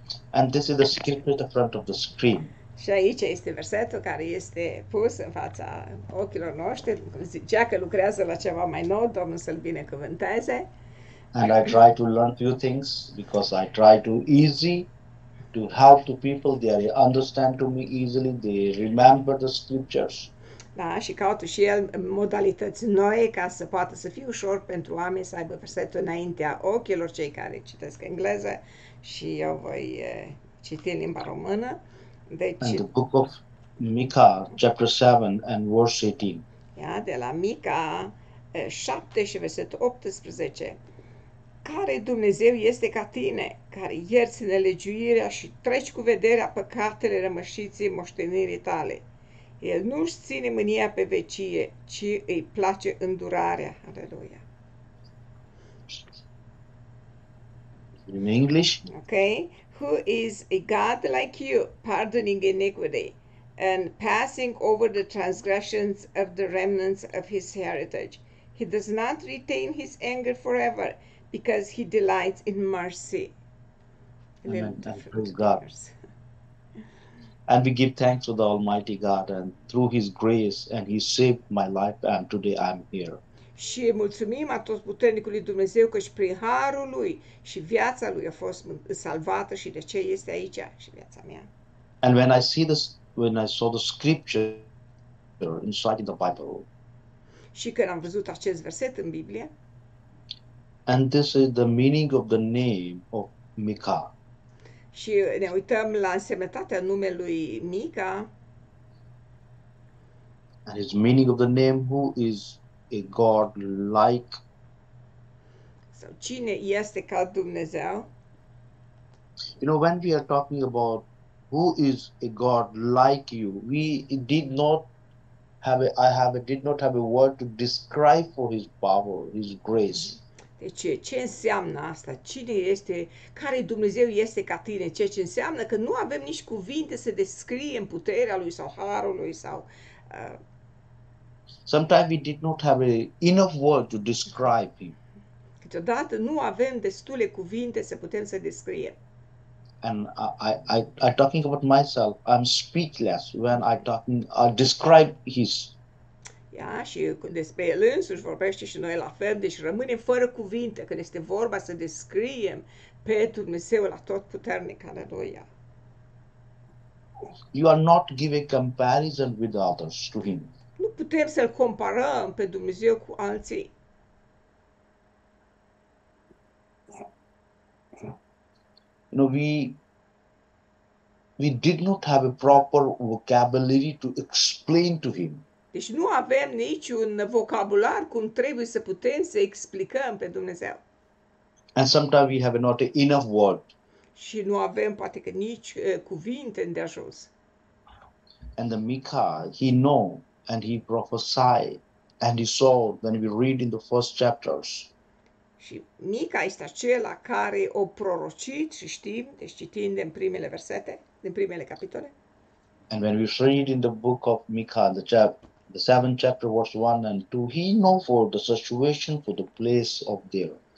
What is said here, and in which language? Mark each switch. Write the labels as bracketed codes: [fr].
[en] And this is the scripture at the front of the screen. [ro] Și aici este versetul care este pus în fața ochilor noștri. Zicea că lucrează la ceva mai nou, Domnul să-l binecuvânteze. [en] And I try to learn few things because I try to easy to help the people, they understand to me easily, they remember the scriptures. [ro] Da, și caut și el modalități noi ca să poată să fie ușor pentru oameni să aibă versetul înaintea ochilor cei care citesc engleză și eu voi citi în limba română. [en] Deci, and the book of Micah, chapter 7 and verse 18. [ro] Ia, de la Micah 7 și versetul 18. Care Dumnezeu este ca tine, care ierți nelegiuirea și treci cu vederea păcatele rămășiții moștenirii tale? El nu-și ține mânia pe vecie, ci îi place îndurarea. Aleluia! [en] In English? Okay. Who is a God like you, pardoning iniquity and passing over the transgressions of the remnants of his heritage? He does not retain his anger forever, because he delights in mercy. Praise God. And we give thanks to the Almighty God and through his grace and he saved my life and today I'm here. [ro] Și mulțumim Atotputernicului Dumnezeu că și prin harul lui și viața lui a fost salvată și de ce este aici și viața mea. [en] And when I see this, when I saw the scripture inside in the Bible. [ro] Și când am văzut acest verset în Biblie. [en] And this is the meaning of the name of Micah. [ro] Și ne uităm la însemnătatea numelui Micah. [en] And its meaning of the name, who is a God like? [ro] So cine este ca Dumnezeu? [en] You know, when we are talking about who is a God like you, we did not have a word to describe for his power, his grace. [ro] ce înseamnă asta? Cine este, care Dumnezeu este ca tine? Ceea ce înseamnă că nu avem nici cuvinte să descriem puterea lui sau harul lui sau [en] Sometimes we did not have enough word to describe him. [ro] Câteodată nu avem destule cuvinte să putem să descriem. [en] And I talking about myself, I'm speechless when I talking I describe his. [ro] Ia, și despre el însuși vorbește și noi la fel, deci rămânem fără cuvinte când este vorba să descriem pe Dumnezeul Atotputernic, aleluia. [en] You are not giving comparison with others to him. [ro] Nu putem să-l comparăm pe Dumnezeu cu alții. [en] You know, we did not have a proper vocabulary to explain to him. [ro] Deci nu avem niciun vocabular cum trebuie să putem să explicăm pe Dumnezeu. [en] And sometimes we have not enough word. [ro] Și nu avem poate că nici cuvinte de ajuns. [en] And the Mica, he know and he prophesied and he saw when we read in the first chapters. [ro] Și Mica este acela care o prorocit și știm, deci citind în primele versete, din primele capitole. [en] And when we read in the book of Mica, the seventh chapter, verse 1 and 2, he know for the situation, for the place of there.